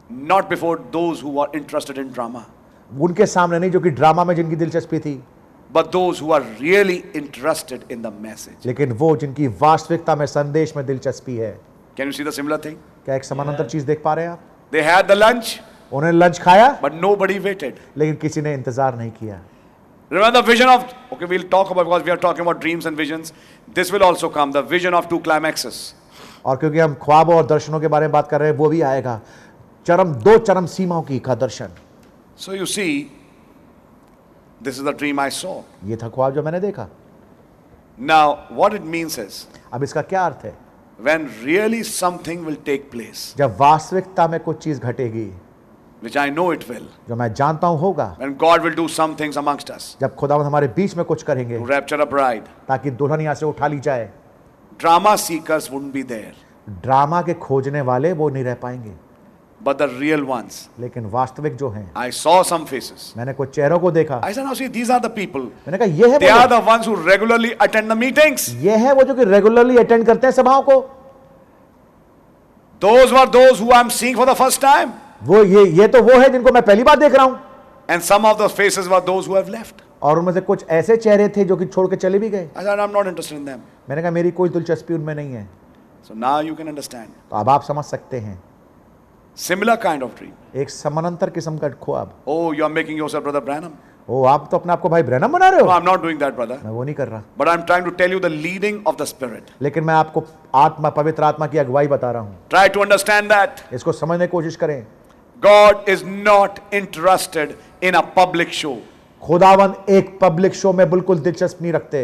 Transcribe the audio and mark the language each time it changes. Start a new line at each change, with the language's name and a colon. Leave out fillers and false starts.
English: Not before those who are interested in drama.
Hindi: उनके सामने नहीं जो कि ड्रामा में जिनकी दिलचस्पी थी.
English: But those who are really interested in the message.
Hindi: लेकिन वो जिनकी वास्तविकता में संदेश में दिलचस्पी है.
English: Can you see the similar thing?
Hindi: क्या एक समानांतर चीज देख पा रहे हैं आप?
English: They had the lunch.
Hindi: उन्हें लंच खाया.
English: But nobody waited.
Hindi: लेकिन किसी ने इंतजार नहीं किया.
English: Remember the vision of, okay, we'll talk about, because we are talking about dreams and visions. This will also come, the vision of two climaxes.
Hindi: और क्योंकि हम ख्वाब और दर्शनों के बारे में बात कर रहे हैं, वो भी आएगा. चरम, दो चरम सीमाओं की का दर्शन.
English: So you see, this is the dream I saw.
Hindi: ये था ख्वाब जो मैंने देखा.
English: Now, what it means is,
Hindi: अब इसका क्या अर्थ है?
English: When really something will take place.
Hindi: जब वास्तविकता में कुछ चीज घटेगी.
English: Which I know it will.
Hindi: जो मैं जानता हूँ होगा.
English: And God will do some things amongst us.
Hindi: जब खुदा हमारे बीच में कुछ करेंगे.
English: To rapture a bride.
Hindi: ताकि दुल्हन यहाँ से उठा ली जाए.
English: Drama seekers wouldn't be there.
Hindi: Drama के खोजने वाले वो नहीं रह पाएंगे.
English: But the real ones.
Hindi: लेकिन वास्तविक जो हैं.
English: I saw some faces.
Hindi: मैंने कुछ चेहरों को देखा.
English: I said, now see, these are the people.
Hindi: मैंने कहा ये हैं.
English: They are the ones who regularly attend the meetings.
Hindi: ये हैं वो जो कि
English: regularly attend
Hindi: करते हैं सभाओं को.
English: Those were those who I'm seeing for the first time.
Hindi: वो ये तो वो है जिनको मैं पहली बार देख रहा हूं.
English: And some of the faces were those who have left.
Hindi: और उनमें से कुछ ऐसे चेहरे थे जो कि छोड़ के चले भी गए.
English: I said I am not interested in them.
Hindi: मैंने कहा मेरी कोई दिलचस्पी उनमें नहीं है.
English: So now you can understand.
Hindi: तो अब आप समझ सकते हैं.
English: Similar kind of dream.
Hindi: एक समानांतर किस्म का ख्वाब.
English: Oh you are making yourself brother Branham.
Hindi: ओह आप तो अपने आप को भाई ब्रैनम बना रहे हो.
English: I am not doing that brother.
Hindi: मैं वो नहीं कर रहा.
English: But I am trying to tell you the leading of the spirit.
Hindi: लेकिन मैं आपको आत्मा पवित्र आत्मा की अगुवाई बता रहा हूं.
English: Try to understand that.
Hindi: इसको समझने की कोशिश करें.
English: God is not interested in a public show.
Hindi: खुदावन एक पब्लिक शो में बिल्कुल दिलचस्पी नहीं रखते.